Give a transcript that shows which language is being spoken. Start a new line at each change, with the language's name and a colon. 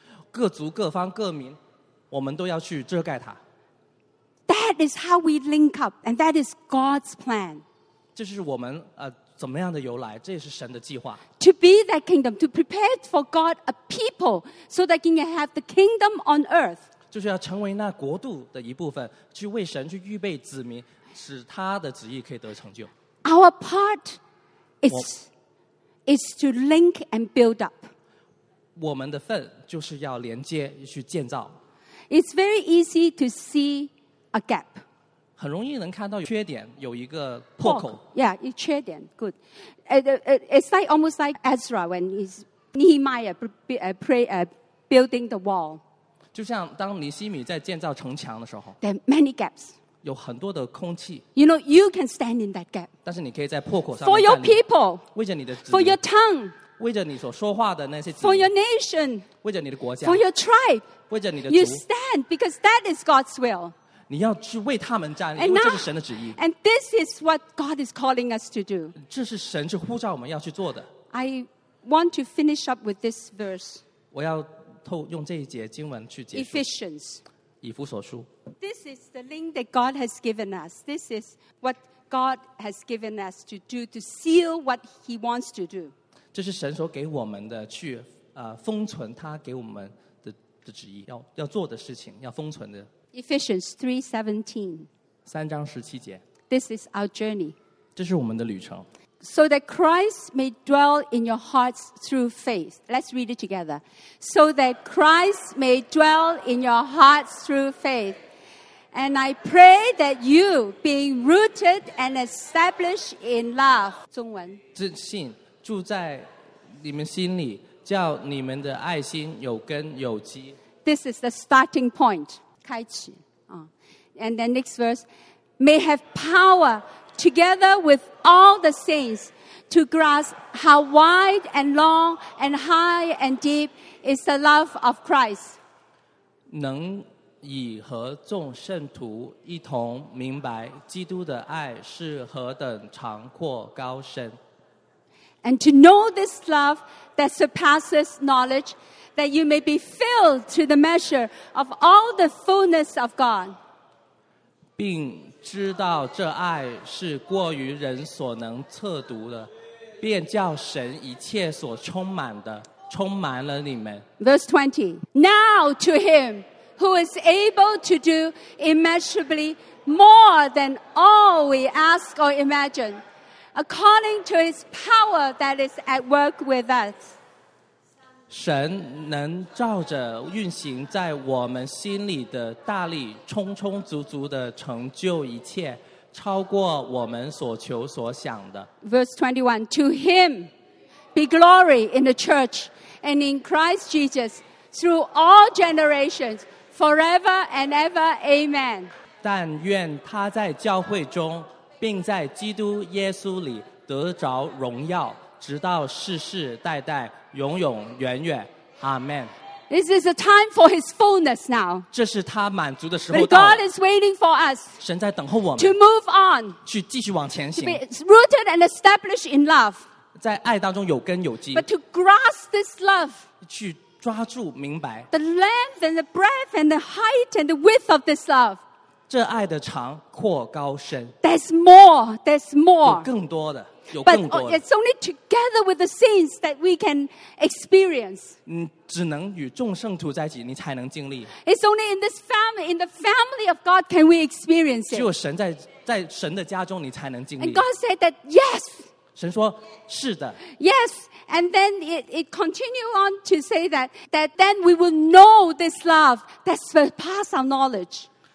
Chinese: 各族各方各民，我们都要去遮盖它。
English: That is how we link up, and that is God's plan.
Chinese: 这是我们怎么样的由来？这也是神的计划。
English: To be that kingdom, to prepare for God a people, so that can have the kingdom on earth.
Chinese: 就是要成为那国度的一部分，去为神去预备子民，使他的旨意可以得成就。
English: Our part is to link and build up.
Chinese: 我们的份就是要连接去建造。
English: It's very easy to see a gap.
Chinese: 很容易能看到缺点，有一个破口。
English: Yeah, 缺点 good. It's like almost like Ezra when he's Nehemiah building the wall.
Chinese: 就像当尼希米在建造城墙的时候。
English: There are many gaps.
Chinese: 有很多的空气。
English: You know, you can stand in that gap.
Chinese: 但是你可以在破口上。
English: For your people.
Chinese: 为着你的子民。
English: For your tongue.
Chinese: 为着你所说话的那些子民。
English: For your nation.
Chinese: 为着你的国家。
English: For your tribe.
Chinese: 为着你的族。
English: You stand because that is God's will.
Chinese: 你要去为他们站立，因为这是神的旨意。
English: And this is what God is calling us to do.
Chinese: 这是神是呼召我们要去做的。
English: I want to finish up with this verse.
Chinese: 我要透用这一节经文去结束。
English: Ephesians.
Chinese: 以弗所书。
English: This is the link that God has given us. This is what God has given us to do to seal what He wants to do.
Chinese: 这是神所给我们的去封存他给我们的旨意，要做的事情，要封存的。
English: Ephesians 3:17.
Chinese: 三章十七节。
English: This is our journey.
Chinese: 这是我们的旅程。
English: So that Christ may dwell in your hearts through faith. Let's read it together. So that Christ may dwell in your hearts through faith. And I pray that you, being rooted and established in love, 中文。
Chinese: 自信住在你们心里，叫你们的爱心有根有基。
English: This is the starting point.
Chinese: 开启啊
English: ，and then next verse may have power together with all the saints to grasp how wide and long and high and deep is the love of Christ.
Chinese: 能以和众圣徒一同明白基督的爱是何等长阔高深。
English: And to know this love that surpasses knowledge. That you may be filled to the measure of all the fullness of God.
Chinese: 并知道这爱是过于人所能测读的，便叫神一切所充满的，充满了你们。
English: Verse 20. Now to him who is able to do immeasurably more than all we ask or imagine, according to his power that is at work with us.
Chinese: 神能照着运行在我们心里的大力，充充足足地成就一切，超过我们所求所想的。
English: Verse 21, To him be glory in the church and in Christ Jesus through all generations, forever and ever, Amen.
Chinese: 但愿他在教会中，并在基督耶稣里得着荣耀，直到世世代代。永永远远 Amen.
English: This is a time for his fullness now.
Chinese: 这是他满足的时候到了。
English: But God is waiting for us.
Chinese: 神在等候我们。
English: To move on.
Chinese: 去继续往前行。
English: To be rooted and established in love.
Chinese: 在爱当中有根有基。
English: But to grasp this love.
Chinese: 去抓住明白。
English: The length and the breadth and the height and the width of this love.
Chinese: 这爱的长阔高深。
English: There's more. There's more.
Chinese: 有更多的。
English: But it's only together with the saints that we can experience.
Chinese: 只能与众圣徒在一起，你才能经历。
English: It's only in this family, in the family of God, can we experience it.
Chinese: 只有神在神的家中，你才能经历。
English: And God said that yes.
Chinese: 神说是的。
English: Yes, and then it continued on to say that then we will know this love that surpasses our knowledge.